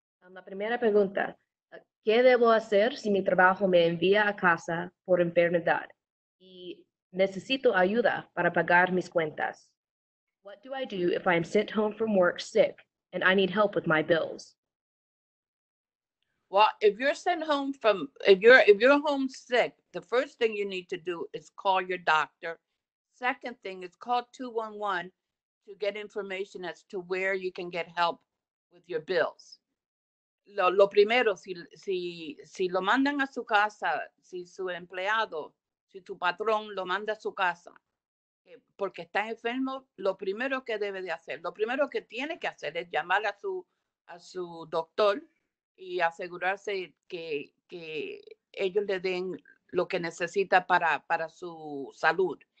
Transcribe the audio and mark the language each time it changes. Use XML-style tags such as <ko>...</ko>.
<es>La primera pregunta, ¿qué debo hacer si mi trabajo me envía a casa por enfermedad y necesito ayuda para pagar mis cuentas?</es> <en>What do I do if I am sent home from work sick and I need help with my bills? Well, if you're home sick, the first thing you need to do is call your doctor. Second thing is call 211. To get information as to where you can get help with your bills.</en> <es>Lo primero, si lo mandan a su casa, si su empleado, si tu patrón lo manda a su casa, porque está enfermo, lo primero que debe de hacer, lo primero que tiene que hacer es llamar a su doctor y asegurarse que ellos le den lo que necesita para su salud.</es>